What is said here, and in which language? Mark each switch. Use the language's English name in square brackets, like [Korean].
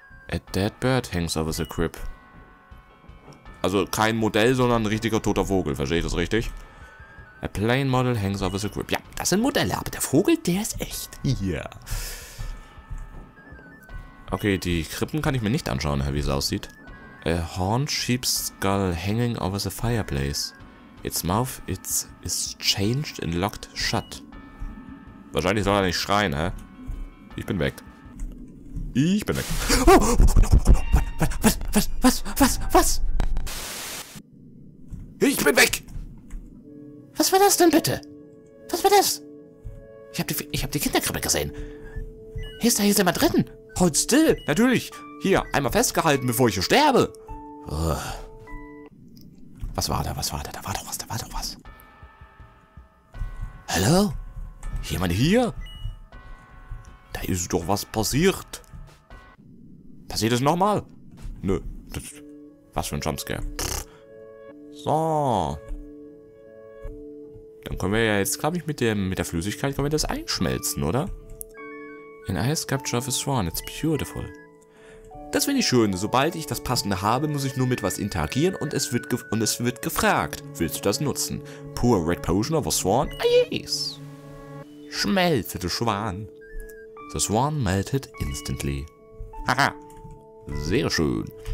[English] A dead bird hangs over the crib. [German] Also kein Modell, sondern ein richtiger toter Vogel. Verstehe ich das richtig? [English] A plane model hangs over the crib. [German] Ja, das sind Modelle, aber der Vogel, der ist echt. Ja. Okay, die Krippen kann ich mir nicht anschauen, wie es aussieht. [English] A horned sheep's skull hanging over the fireplace. Its mouth is changed and locked shut. [German] Wahrscheinlich soll er nicht schreien, hä? Ich bin weg. Ich bin weg. Was? Ich bin weg! Was war das denn bitte? Was war das? Ich hab die Kinderkrippe gesehen. Hier ist jemand drin. [English] Hold still. [German] Natürlich. Hier, einmal festgehalten, bevor ich hier sterbe. Was war da? Was war da? Da war doch was, da war doch was. Hallo? Jemand hier? Da ist doch was passiert. Passiert es nochmal? Nö. Was für ein Jumpscare. So. Dann können wir ja jetzt, glaube ich, mit der Flüssigkeit können wir das einschmelzen, oder? [English] An ice sculpture of a swan, it's beautiful. [German] Das finde ich schön. Sobald ich das Passende habe, muss ich nur mit was interagieren und es wird gefragt. Willst du das nutzen? [English] Poor red potion of a swan? Ah, yes. [German] Schmelzete Schwan. [English] The swan melted instantly. [German] Haha. Sehr schön.